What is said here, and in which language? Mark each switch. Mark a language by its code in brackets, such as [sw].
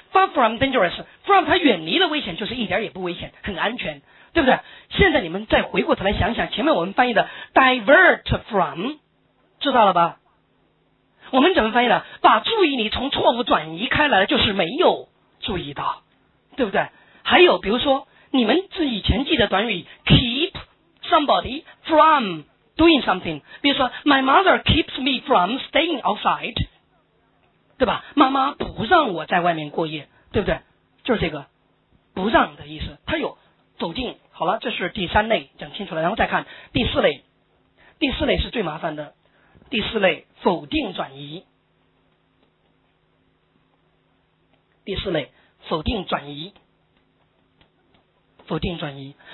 [zh] far from dangerous， from 它远离了危险，就是一点也不危险，很安全，对不对？现在你们再回过头来想想前面我们翻译的 divert from， 知道了吧？我们怎么翻译的？把注意力从错误转移开来，就是没有注意到，对不对？还有比如说你们自以前记的短语 keep somebody from doing something， 比如说 [en] my mother keeps me from staying outside， [zh] 对吧？妈妈不让我在外面过夜，对不对？就是这个不让的意思，它有否定。好了，这是第三类，讲清楚了。然后再看第四类，第四类是最麻烦的，第四类否定转移，第四类否定转移，否定转移。